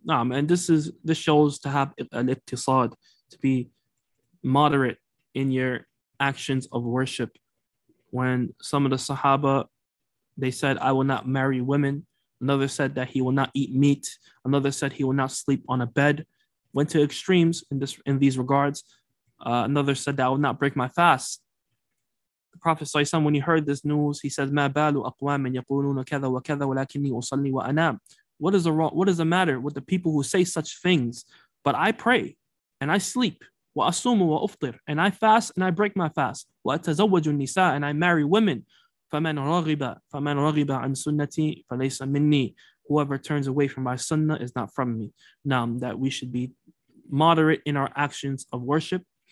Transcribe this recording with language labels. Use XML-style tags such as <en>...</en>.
<en>And this shows to have al-iqtisad, to be moderate in your actions of worship. When some of the Sahaba, they said, I will not marry women. Another said that he will not eat meat. Another said he will not sleep on a bed. Went to extremes in these regards. Another said that I will not break my fast. The Prophet ﷺ, when he heard this news, he said,</en> <ar>مَا بَالُ أَقْوَامٍ يَقُولُونَ كَذَا وَكَذَا وَلَكِنِّي أُصَلِّي وَأَنَامُ.</ar> <en>What is the matter with the people who say such things? But I pray and I sleep.</en> <ar>وَأَصُومُ وَأُفْطِرُ.</ar> <en>And I fast and I break my fast.</en> <ar>وَأَتَزَوَّجُ النِّسَاءَ.</ar> <en>And I marry women.</en> <ar>فَمَنْ رَغِبَ عَنْ سُنَّتِي فَلَيْسَ مِنِّي.</ar> <en>Whoever turns away from my sunnah is not from me. Now, that we should be moderate in our actions of worship.</en>